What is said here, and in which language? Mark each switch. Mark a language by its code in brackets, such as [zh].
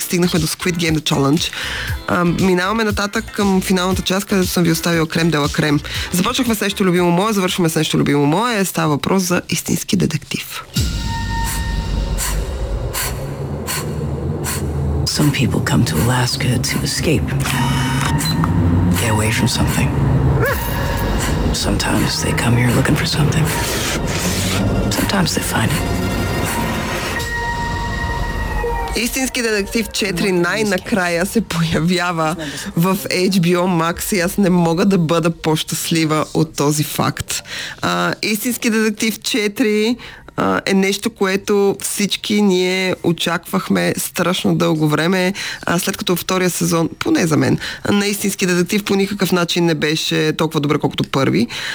[bg] Стигнахме до Squid Game The Challenge. Минаваме нататък към финалната част, където съм ви оставила крем дела крем. Започнахме с нещо любимо мое, завършваме с нещо любимо мое. Става въпрос за истински детектив. [en] Some people come to Alaska to escape. Get away from something. Sometimes they come here looking for something. Sometimes they find it. [bg] Истински детектив 4 най-накрая се появява в HBO Max и аз не мога да бъда по-щастлива от този факт. Истински детектив 4 е нещо, което всички ние очаквахме страшно дълго време, след като втория сезон, поне за мен, на Истински детектив по никакъв начин не беше толкова добре, колкото първи.